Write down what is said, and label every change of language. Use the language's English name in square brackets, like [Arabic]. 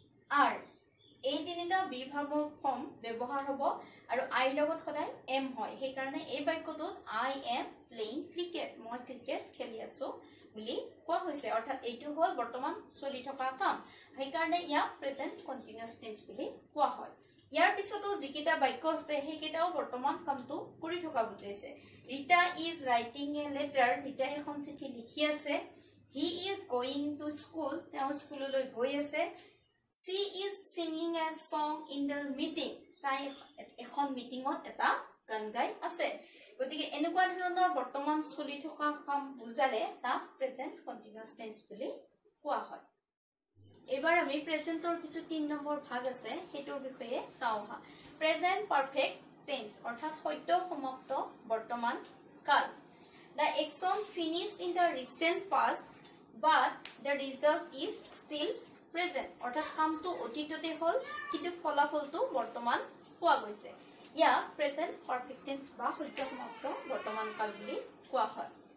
[Assamese] আর এই তিনিটা B ভার্বৰ form ব্যৱহাৰ হ'ব আৰু আই লগত সদায় এম হয় সেই কাৰণে এই বাক্যটোত [English] I am playing cricket [Assamese] মই ক্রিকেট খেলি আছো বুলি কোৱা হৈছে অৰ্থাৎ এইটো হ'ল বৰ্তমান চলি থকা কাম সেই কাৰণে ইয়াক প্ৰেজেন্ট কন্টিনিউয়াস টেন্স বুলি কোৱা হয় ইয়াৰ পিছতো যিকেইটা বাক্য আছে সেইকেইটাও বৰ্তমান কামটো কৰি থকা বুজাইছে [English] Rita is writing a letter. [Assamese] Rita এখন চিঠি লিখি আছে. [English] He is going to school. [Assamese] তেওঁ স্কুললৈ গৈ আছে. [English] She is singing a song in the meeting. [Assamese] তাই এখন মিটিঙত এটা গান গাই আছে. গতিকে এনেকুৱা ধৰণৰ বৰ্তমান চলি থকা কাম বুজালে তাক প্ৰেজেন্ট কন্টিনিউয়াস টেন্স বুলি কোৱা হয়। এবাৰ আমি প্ৰেজেন্টৰ যিটো তিন নম্বৰ ভাগ আছে সেইটোৰ বিষয়ে চাওঁহা। প্ৰেজেন্ট পাৰফেক্ট টেন্স অর্থাৎ সত্য সমাপ্ত বর্তমান কাল [English] the action finish in the recent past but the result is still present [Assamese] অর্থাৎ কামটো অতীততে হল কিন্তু ফলাফলটো বর্তমান পোৱা গৈছে ইয়া প্রেজেন্ট পারফেক্ট টেন্স বা সত্য সমাপ্ত বর্তমান কাল বুলি কোৱা হয়